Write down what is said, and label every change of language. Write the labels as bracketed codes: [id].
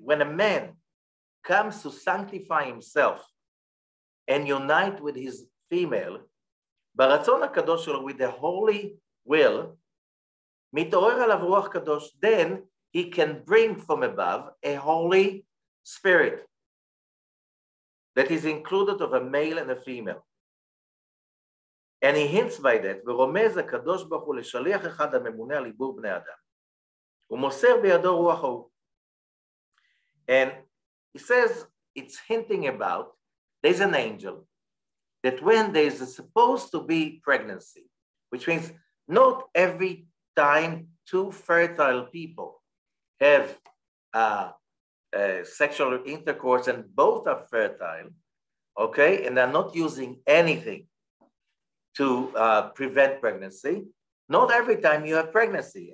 [en] When a man comes to sanctify himself and unite with his female, [he] baratzon ha'kadosh shelo, [en] with the holy will, [he] mit'orer alav ruach kadosh, [en] then he can bring from above a holy spirit that is included of a male and a female. And he hints by that, [he] ורומז הקדוש ברוך הוא לשליח אחד הממונה על עיבור בני אדם. הוא מוסר בידו רוח הוא. [en] And he says, it's hinting about, there's an angel, that when there is supposed to be pregnancy, which means not every time two fertile people have sexual intercourse and both are fertile, okay, and they're not using anything to prevent pregnancy, not every time you have pregnancy.